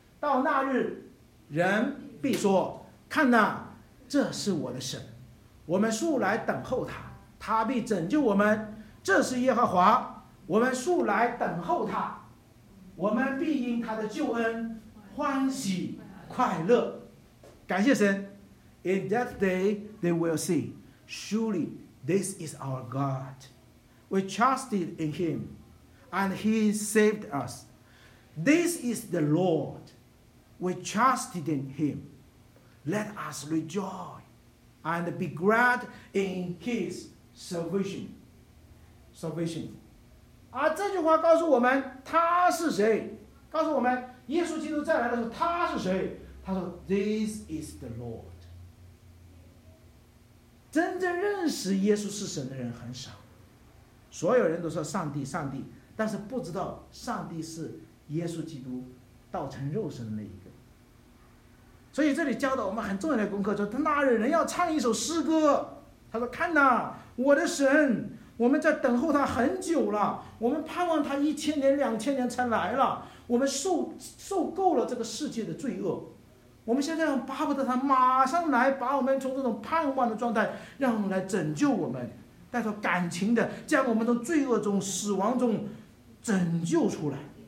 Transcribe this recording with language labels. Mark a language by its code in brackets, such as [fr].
[zh] 到那日，人必说：看哪，这是我的神，我们素来等候他，他必拯救我们。这是耶和华，我们素来等候他，我们必因他的救恩欢喜快乐。感谢神。 [en] In that day they will see, surely this is our God. We trusted in him, and he saved us. This is the Lord. We trusted in him. Let us rejoice and be glad in his salvation. [zh] Salvation， 啊，这句话告诉我们他是谁，告诉我们耶稣基督再来的时候他是谁。他说 [en] This is the Lord。 [zh] 真正认识耶稣是神的人很少，所有人都说上帝上帝，但是不知道上帝是耶稣基督道成肉身的那一个。所以这里教导我们很重要的功课，就是那日人要唱一首诗歌，他说看哪，我的神，我们在等候他很久了，我们盼望他一千年两千年才来了，我们受够了这个世界的罪恶，我们现在巴不得他马上来把我们从这种盼望的状态让我们来拯救我们，带着感情的将我们从罪恶中死亡中拯救出来。